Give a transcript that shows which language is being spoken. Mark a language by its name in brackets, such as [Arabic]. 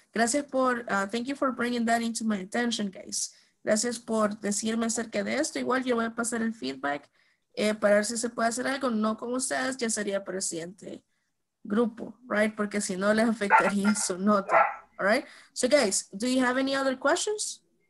[Spanish] Gracias por, [English] thank you for bringing that into my attention, guys. [Spanish] Gracias por decirme acerca de esto. Igual yo voy a pasar el feedback para ver si se puede hacer algo. No con ustedes, ya sería para el siguiente grupo, right? Porque si no les afectaría su nota. All right. [English] So guys, do you have any other questions?